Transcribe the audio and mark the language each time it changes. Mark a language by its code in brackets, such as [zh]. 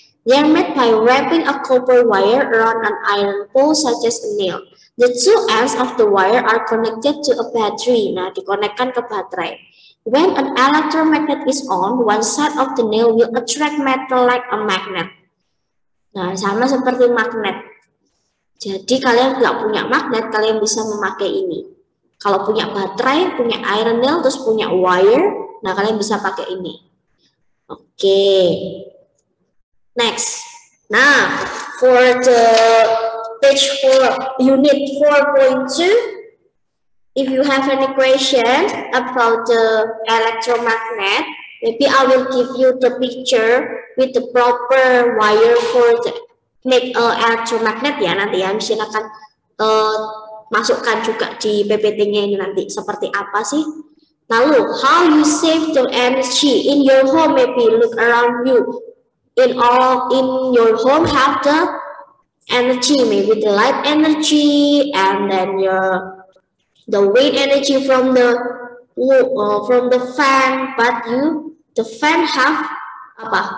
[en] They are made by wrapping a copper wire around an iron pole such as a nail. The two ends of the wire are connected to a battery. [id] Nah, dikonekkan ke baterai. [en] When an electromagnet is on, one side of the nail will attract metal like a magnet. [id] Nah, sama seperti magnet. Jadi, kalian nggak punya magnet, kalian bisa memakai ini. Kalau punya baterai, punya iron nail, terus punya wire, nah, kalian bisa pakai ini. Oke. Next. [en] Nah, for the page 4, unit 4.2, if you have any question about the electromagnet, maybe I will give you the picture with the proper wire for the make electromagnet [id] ya nanti ya. Mungkin akan masukkan juga di PPT-nya ini nanti seperti apa sih. [en] Lalu, how you save the energy in your home, maybe look around you. In all in your home have the energy, maybe the light energy and then the wind energy from the fan, but you the fan have apa?